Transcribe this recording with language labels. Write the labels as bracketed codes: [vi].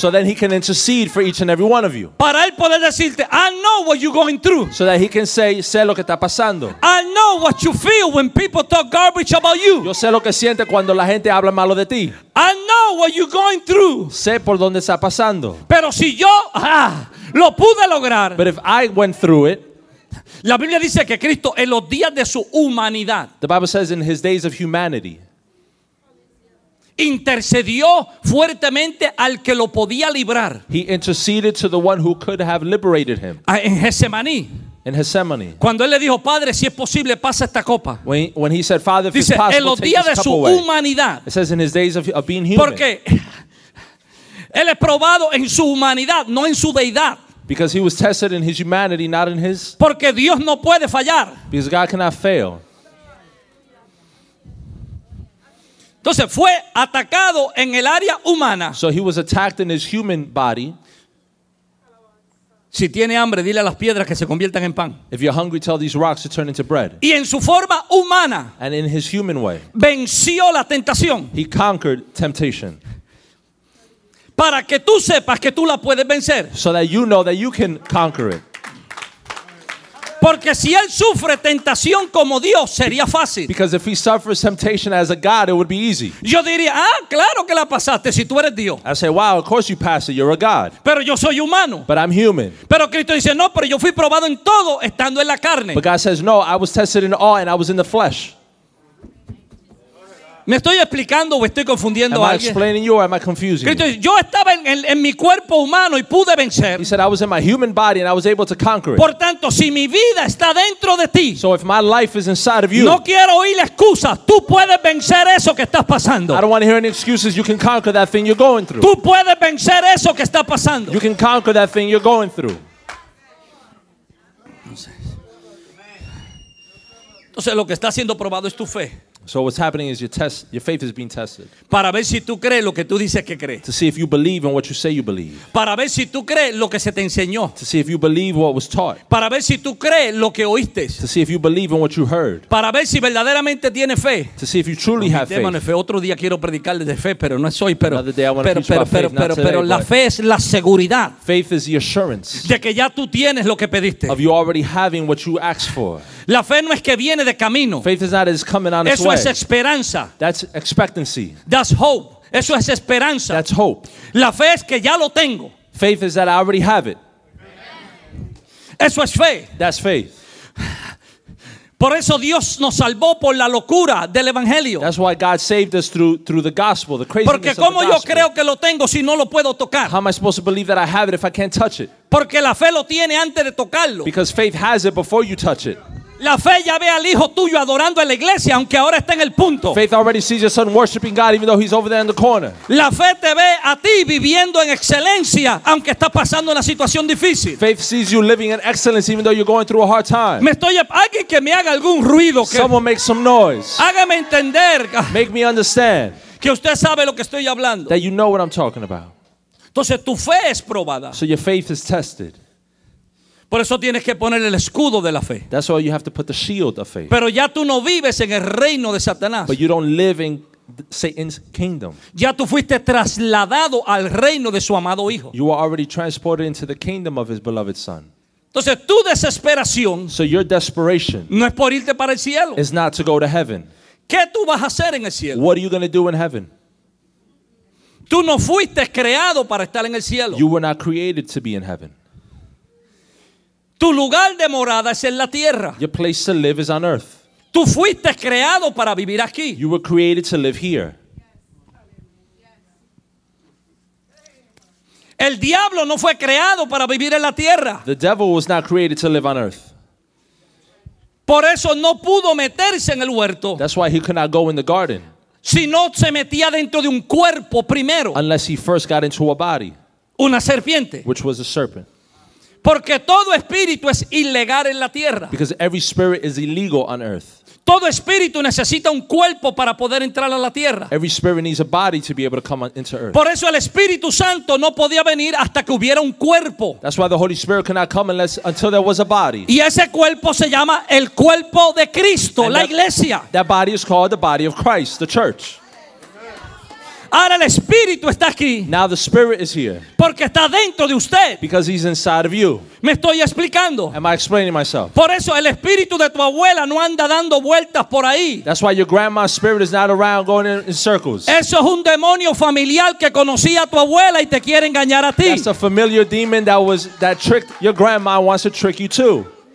[en] so that he can intercede for each and every one of you, [es] para él poder decirte, [en] I know what you're going through, so that he can say, [es] sé lo que está pasando, [en] I know what you feel when people talk garbage about you, [es] yo sé lo que siente cuando la gente habla malo de ti, [en] I know what you're going through, [es] sé por dónde está pasando, pero si yo lo pude lograr, [en] but if I went through it, [es] la Biblia dice que Cristo en los días de su humanidad, [en] the Bible says in his days of humanity, [es] intercedió fuertemente al que lo podía librar. [en] He interceded to the one who could have liberated him. [es] En Getsemaní. [en] In Gethsemane. [es] Cuando él le dijo, Padre, si es posible, pasa esta copa. [en] When he said, Father, if [es] dice, [en] it's possible, [es] en los días [en] take this [es] de su [en] away. [es] Humanidad. [en] It says in his days of being human. [es] Porque él es probado en su humanidad, no en su deidad. [en] Because he was tested in his humanity, not in his. [es] Porque Dios no puede fallar. [en] Because God cannot fail. [es] Entonces fue atacado en el área humana. [en] So he was attacked in his human body. [es] Si tiene hambre, dile a las piedras que se conviertan en pan. [en] If you're hungry, tell these rocks to turn into bread. [es] Y en su forma humana. [en] And in his human way. [es] Venció la tentación. [en] He conquered temptation. [es] Para que tú sepas que tú la puedes vencer. [en] So that you know that you can conquer it. [es] Porque si él sufre tentación como Dios, sería fácil. [en] Because if he suffers temptation as a God, it would be easy. [es] Yo diría, ah, claro que la pasaste si tú eres Dios. [en] I say, wow, of course you pass it. You're a God. [es] Pero yo soy humano. [en] But I'm human. [es] Pero Cristo dice, no, pero yo fui probado en todo estando en la carne. [en] But God says, no, I was tested in all and I was in the flesh. [es] ¿Me estoy explicando o estoy confundiendo a alguien? Cristo dice, yo estaba en mi cuerpo humano y pude vencer. [en] He said, I was in my human body and I was able to conquer it. [es] Por tanto, si mi vida está dentro de ti, [en] so if my life is inside of you, [es] no quiero oír excusas. Tú puedes vencer eso que estás pasando. [en] I don't want to hear any excuses. You can conquer that thing you're going through. [es] Tú puedes vencer eso que está pasando. [en] You can conquer that thing you're going through. [es] Entonces, lo que está siendo probado es tu fe. [en] So what's happening is your faith is being tested. [es] Para ver si tú crees lo que tú dices que crees. [en] To see if you believe in what you say you believe. [es] Para ver si tú crees lo que se te enseñó. [en] To see if you believe what was taught. [es] Para ver si tú crees lo que oíste. [en] To see if you believe in what you heard. [es] Para ver si verdaderamente tienes fe. [en] To see if you truly have faith. [es] Mano, otro día quiero predicarles de fe, pero no es hoy, pero [en] another day I want to preach about faith, [es] pero, [en] not [es] pero [en] today, [es] la fe es la seguridad. [en] Faith is the assurance. [es] De que ya tú tienes lo que pediste. [en] Of you already having what you asked for. [es] La fe no es que viene de camino. [en] Faith is not it's coming on its way. [es] Es esperanza. [en] That's expectancy. That's hope. [es] Eso es esperanza. [en] That's hope. [es] La fe es que ya lo tengo. [en] Faith is that I already have it. [es] Eso es fe. [en] That's faith. [es] Por eso Dios nos salvó por la locura del evangelio. [en] That's why God saved us through the gospel, the craziness [es] Porque cómo [en] of the [es] yo [en] gospel. [es] Creo que lo tengo si no lo puedo tocar. [en] How am I supposed to believe that I have it if I can't touch it? [es] Porque la fe lo tiene antes de tocarlo. [en] Because faith has it before you touch it. [es] La fe ya ve al hijo tuyo adorando en la iglesia, aunque ahora esté en el punto. [en] Faith already sees your son worshiping God, even though he's over there in the corner. [es] La fe te ve a ti viviendo en excelencia, aunque estás pasando una situación difícil. [en] Faith sees you living in excellence, even though you're going through a hard time. [es] Me estoy alguien que me haga algún ruido. [en] Someone make some noise. [es] Hágame entender. [en] Make me understand. [es] Que usted sabe lo que estoy hablando. [en] That you know what I'm talking about. [es] Entonces tu fe es probada. [en] So your faith is tested. [es] Por eso tienes que poner el escudo de la fe. [en] That's why you have to put the shield of faith. [es] Pero ya tú no vives en el reino de Satanás. [en] But you don't live in Satan's kingdom. [es] Ya tú fuiste trasladado al reino de su amado hijo. [en] You are already transported into the kingdom of his beloved son. [es] Entonces tu desesperación. [en] So your desperation. [es] No es por irte para el cielo. [en] Is not to go to heaven. [es] ¿Qué tú vas a hacer en el cielo? [en] What are you going to do in heaven? [es] Tú no fuiste creado para estar en el cielo. [en] You were not created to be in heaven. [es] Tu lugar de morada es en la tierra. [en] Your place to live is on earth. [es] Tú fuiste creado para vivir aquí. [en] You were created to live here. [es] El diablo no fue creado para vivir en la tierra. [en] The devil was not created to live on earth. [es] Por eso no pudo meterse en el huerto. [en] That's why he could not go in the garden. [es] Si no se metía dentro de un cuerpo primero. [en] Unless he first got into a body. [es] Una serpiente. [en] Which was a serpent. [es] Porque todo espíritu es ilegal en la tierra. [en] Because every spirit is illegal on earth. [es] Todo espíritu necesita un cuerpo para poder entrar a la tierra. [en] Every spirit needs a body to be able to come into earth. [es] Por eso el Espíritu Santo no podía venir hasta que hubiera un cuerpo. [en] That's why the Holy Spirit cannot come until there was a body. [es] Y ese cuerpo se llama el cuerpo de Cristo, la iglesia. [en] That body is called the body of Christ, the church. [es] Ahora el Espíritu está aquí. [en] Now the Spirit is here. [es] Porque está dentro de usted. [en] Because he's inside of you. [es] Me estoy explicando. [en] Am I explaining myself? [es] Por eso el Espíritu de tu abuela no anda dando vueltas por ahí. [en] That's why your grandma's spirit is not around going in circles. [es] Eso es un demonio familiar que conocía a tu abuela y te quiere engañar a ti. [en] That's a familiar demon that tricked your grandma and wants to trick you too.